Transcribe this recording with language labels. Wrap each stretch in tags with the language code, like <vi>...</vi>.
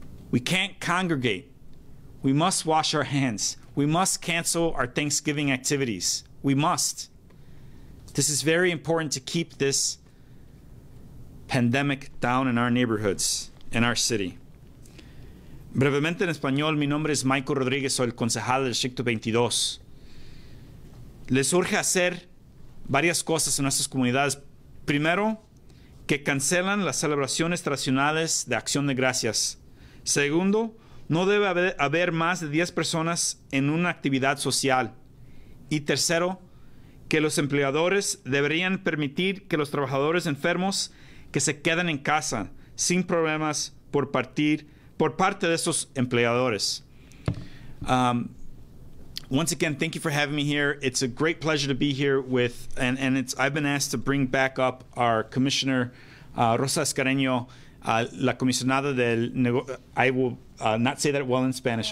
<en>We can't congregate. We must wash our hands. We must cancel our Thanksgiving activities. We must. This is very important to keep this pandemic down in our neighborhoods, in our city.</en> <es>Brevemente en español, mi nombre es Michael Rodriguez, soy el concejal del Distrito 22. Les urge hacer varias cosas en nuestras comunidades. Primero, que cancelan las celebraciones tradicionales de Acción de Gracias. Segundo, no debe haber más de 10 personas en una actividad social. Y tercero, que los empleadores deberían permitir que los trabajadores enfermos que se queden en casa sin problemas por parte de esos empleadores.</es> <en>Once again, thank you for having me here. It's a great pleasure to be here with, I've been asked to bring back up our commissioner, Rosa Escareño,</en> <es>la comisionada del negocio.</es> <en>I will not say that well in Spanish.</en>